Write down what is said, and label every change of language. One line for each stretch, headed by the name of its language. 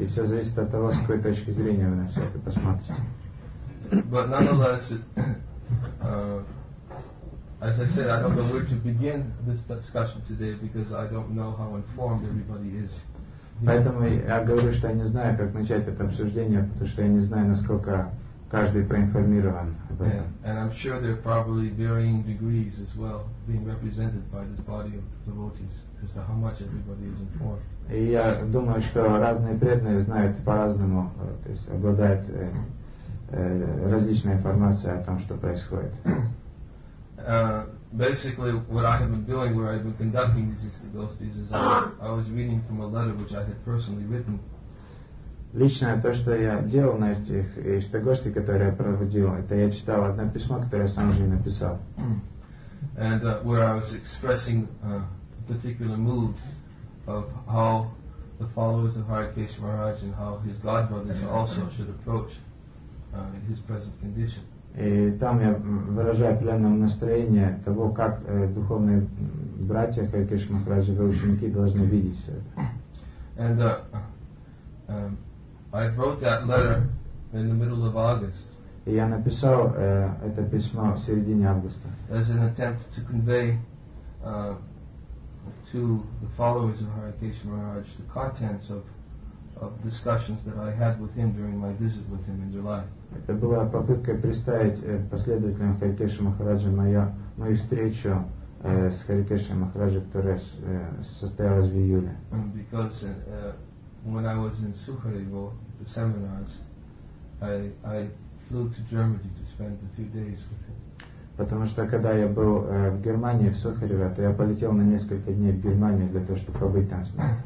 Russian: и все зависит от того, с какой точки зрения вы на все это посмотрите.
English: But nonetheless, as I said, I don't know where to begin this discussion today because I don't know how informed everybody is.
Russian: Поэтому я говорю, что я не знаю, как начать это обсуждение, потому что я не знаю, насколько каждый проинформирован об этом.
English: And I'm sure there are probably varying degrees as well being represented by this body of devotees as to how much everybody is informed.
Russian: И я думаю, что разные преданные знают по-разному, то есть обладают различной информацией о том, что происходит.
English: Basically, what I have been doing, where I have been conducting these istogostis, is I was reading from a letter which I had personally written.
Russian: Личное то, что я делал на этих истогостях, которые я проводил, это я читал одно письмо, которое я сам же и написал.
English: And where I was expressing a particular mood of how the followers of Hare Krishna Maharaj and how his godbrothers also should approach in his present condition.
Russian: И там я выражаю определенное настроение того, как духовные братья Hare Krishna Maharaj и ученики должны видеть все это.
English: And I wrote that letter in the middle of August.
Russian: И я написал это письмо в середине августа.
English: As an attempt to convey to the followers of Hare Krishna Maharaj the contents of discussions that I had with him during my visit with him in July.
Russian: Это была попытка представить последователям Hare Krishna Maharaja мою встречу с Hare Krishna Maharaja, которая состоялась в июле.
English: Because when I was in Sukhadevo at the seminars, I flew to Germany to spend a few days with him.
Russian: Потому что когда я был в Германии, в Сухареве, то я полетел на несколько дней в Германию для того, чтобы побыть там с ним.